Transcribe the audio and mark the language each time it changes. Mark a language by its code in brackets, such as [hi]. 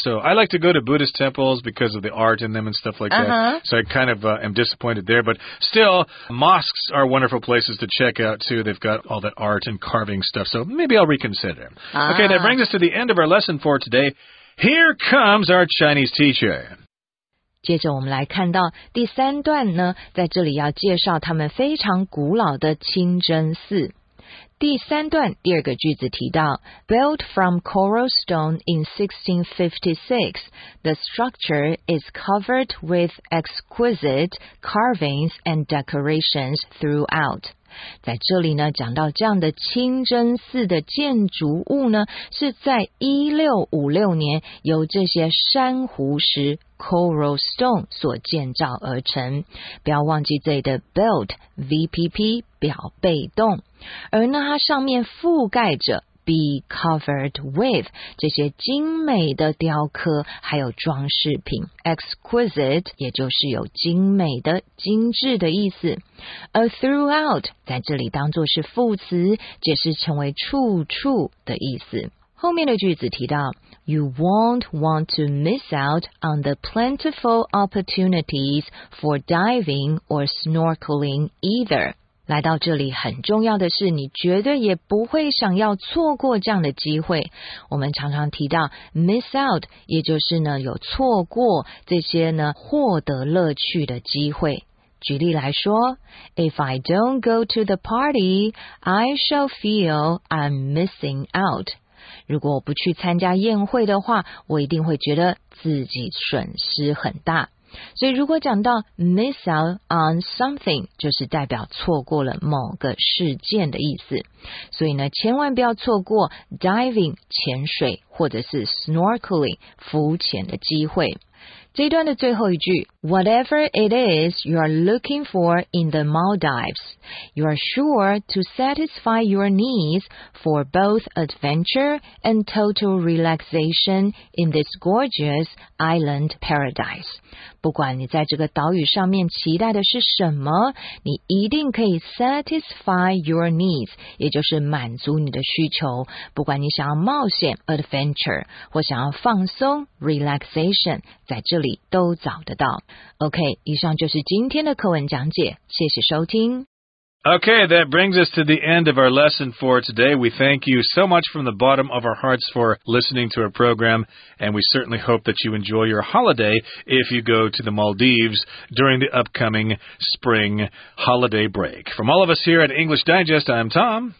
[en] So I like to go to Buddhist temples because of the art in them and stuff like that. So I kind of am disappointed there. But still, mosques are wonderful places to check out, too. They've got all that art and carving stuff. So maybe I'll reconsider. Okay, that brings us to the end of our lesson for today. Here comes our Chinese teacher. [zh] 接着我们来看到第三段呢，在这里要介绍他们非常古老的清真寺。第三段第二个句子提到 [en] Built from coral stone in 1656, the structure is covered with exquisite carvings and decorations throughout. [zh] 在这里呢，讲到这样的清真寺的建筑物呢，是在1656年由这些珊瑚石 [en] coral stone [zh] 所建造而成。不要忘记这里的 built VPP 表被动，而呢它上面覆盖着 [en] be covered with [zh] 这些精美的雕刻还有装饰品， exquisite 也就是有精美的精致的意思。而 throughout 在这里当作是副词，解释成为处处的意思。后面的句子提到 [en] You won't want to miss out on the plentiful opportunities for diving or snorkeling either. [zh] 来到这里很重要的是你绝对也不会想要错过这样的机会。我们常常提到 miss out, 也就是呢有错过这些呢获得乐趣的机会。举例来说 [en] If I don't go to the party, I shall feel I'm missing out. [zh] 如果我不去参加宴会的话，我一定会觉得自己损失很大。所以如果讲到 [en] miss out on something, [zh] 就是代表错过了某个事件的意思。所以呢，千万不要错过 diving 潜水或者是 snorkeling 浮潜的机会。这一段的最后一句 [en] Whatever it is you are looking for in the Maldives, you are sure to satisfy your needs for both adventure and total relaxation in this gorgeous island paradise. [zh] 不管你在这个岛屿上面期待的是什么，你一定可以 [en] satisfy your needs, [zh] 也就是满足你的需求。不管你想要冒险 adventure, 或想要放松 relaxation, 在这里都找得到。 OK, 以上就是今天的课文讲解，谢谢收听。 [en] OK, that brings us to the end of our lesson for today. We thank you so much from the bottom of our hearts for listening to our program, and we certainly hope that you enjoy your holiday if you go to the Maldives during the upcoming spring holiday break. From all of us here at English Digest, I'm Tom.